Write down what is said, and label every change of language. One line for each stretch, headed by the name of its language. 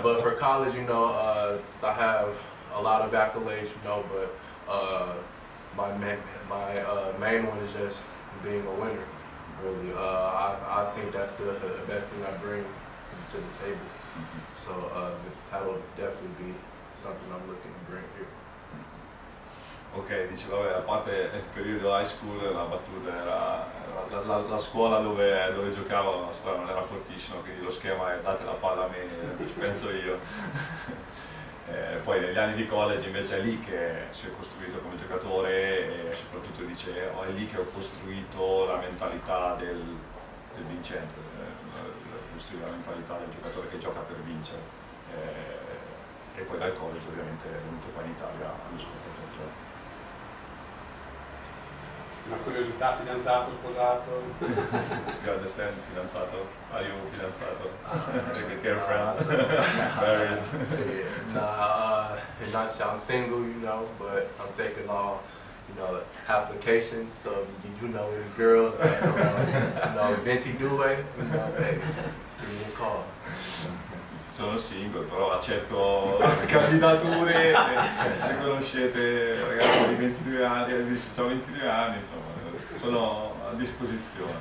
English: but for college, you know, I have a lot of accolades, you know, but my main one is just being a winner. Really, I think that's the best thing I bring to the table. Mm-hmm. So that'll definitely be something I'm looking to bring here.
Italian: Ok, dice, vabbè, a parte il periodo high school, la battuta era la scuola dove giocavo, la scuola non era fortissima, quindi lo schema è date la palla a me, ci penso io. Poi negli anni di college invece è lì che si è costruito come giocatore, e soprattutto dice, è lì che ho costruito la mentalità del vincente, costruire la mentalità del giocatore che gioca per vincere. E poi dal college ovviamente è venuto qua in Italia allo scorso tempo. Una curiosità, fidanzato, sposato?
English: You understand, fidanzato? Are you fidanzato? Like a girlfriend? Married? Nah, I'm single, you know, but I'm taking all, you know, applications, so you know the girls, you know,
Italian: venti due,
English: you know, baby, give me a call.
Italian: Sono single, però accetto candidature, se conoscete ragazzi di 22 anni, ho 22 anni, insomma, sono a disposizione.